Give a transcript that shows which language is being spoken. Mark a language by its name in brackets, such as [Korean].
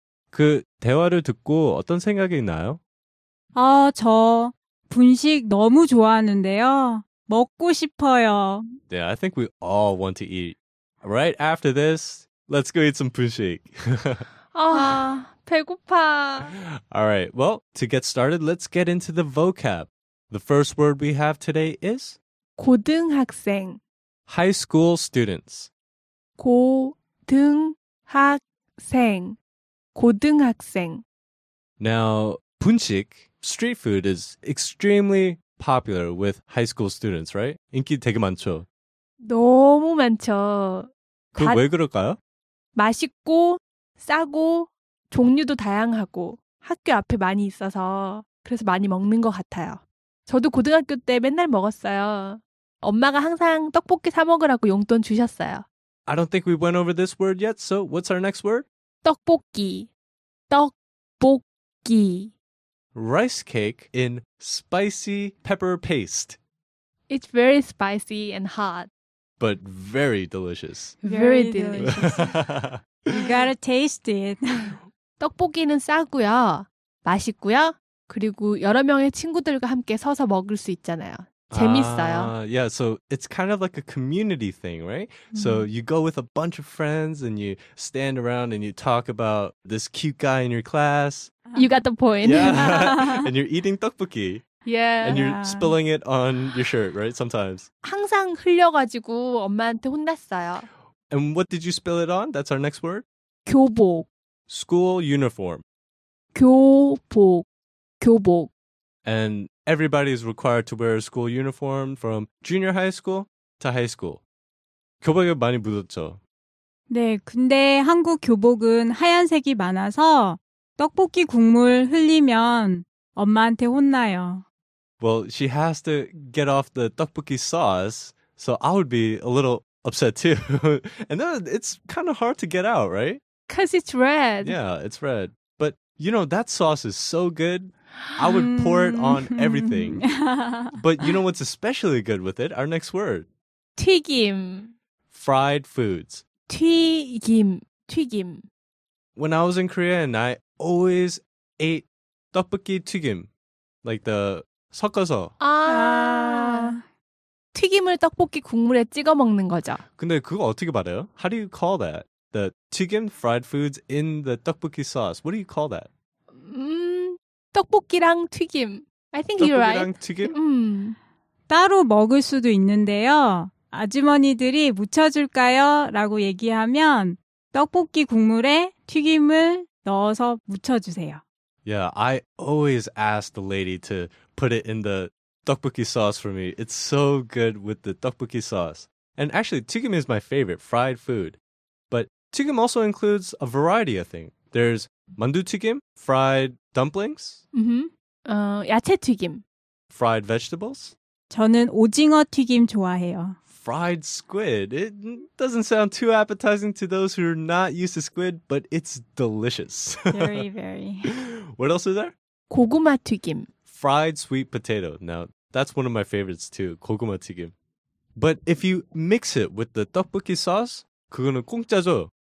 [Korean] 그 대화를 듣고 어떤 생각이 나요? 아, 저 분식 너무 좋아하는데요. 먹고 싶어요. [English] Yeah, I think we all want to eat. Right after this, let's go eat some 분식. [Korean] 아, 배고파. [English] All right, well, to get started, let's get into the vocab. The first word we have today is? [Korean] 고등학생. [English] High school students. [Korean] 고등학생. 고등학생. [English] Now, 분식, street food, is extremely popular with high school students, right? [Korean] 인기 되게 많죠? 너무 많죠. 그럼 왜 그럴까요? 맛있고, 싸고, 종류도 다양하고, 학교 앞에 많이 있어서. 그래서 많이 먹는 것 같아요. 저도 고등학교 때 맨날 먹었어요. 엄마가 항상 떡볶이 사 먹으라고 용돈 주셨어요. [English] I don't think we went over this word yet, so what's our next word? [Korean] 떡볶이. 떡볶이. [English] Rice cake in spicy pepper paste. It's very spicy and hot. But very delicious. Very delicious. You gotta taste it. [Korean] 떡볶이는 싸고요. 맛있고요. 그리고 여러 명의 친구들과 함께 서서 먹을 수 있잖아요. 재밌어요. [English] Yeah, so it's kind of like a community thing, right? Mm. So you go with a bunch of friends and you stand around and you talk about this cute guy in your class. You got the point. Yeah. And you're eating 떡볶이. Yeah. And you're spilling it on your shirt, right? Sometimes. [Korean] 항상 흘려가지고 엄마한테 혼났어요. [English] And what did you spill it on? That's our next word. [Korean] 교복. [English] School uniform. [Korean] 교복. 교복. [English] And everybody is required to wear a school uniform from junior high school to high school. [Korean] 교복에 많이 묻었죠? 네, 근데 한국 교복은 하얀색이 많아서 떡볶이 국물 흘리면 엄마한테 혼나요. [English] Well, she has to get off the 떡볶이 sauce, so I would be a little upset too. And then it's kind of hard to get out, right? Because it's red. Yeah, it's red. But, you know, that sauce is so good. I would pour it on everything. But you know what's especially good with it? Our next word. [Korean] 튀김. [English] Fried foods. [Korean] 튀김. 튀김. [English] When I was in Korea and I always ate 떡볶이 튀김. Like the [Korean] 섞어서. 아. 튀김을 떡볶이 국물에 찍어 먹는 거죠. 근데 그거 어떻게 말해요? [English] How do you call that? The 튀김 fried foods in the 떡볶이 sauce. What do you call that? [Korean] 떡볶이랑 튀김. [English] I think you're right. [Korean] 떡볶이랑 튀김? 따로 먹을 수도 있는데요. 아주머니들이 무쳐줄까요? 라고 얘기하면 떡볶이 국물에 튀김을 넣어서 무쳐주세요. [English] Yeah, I always ask the lady to put it in the 떡볶이 sauce for me. It's so good with the 떡볶이 sauce. And actually, 튀김 is my favorite fried food. But 튀김 also includes a variety of things. There's 만두 튀김, fried dumplings. [Korean] 야채 튀김. [English] Fried vegetables. [Korean] 저는 오징어 튀김 좋아해요. [English] Fried squid. It doesn't sound too appetizing to those who are not used to squid, but it's delicious. Very. What else is there? [Korean] 고구마 튀김. [English] Fried sweet potato. Now, that's one of my favorites too, 고구마 튀김. But if you mix it with the 떡볶이 sauce, [Korean] 그거는 공짜죠?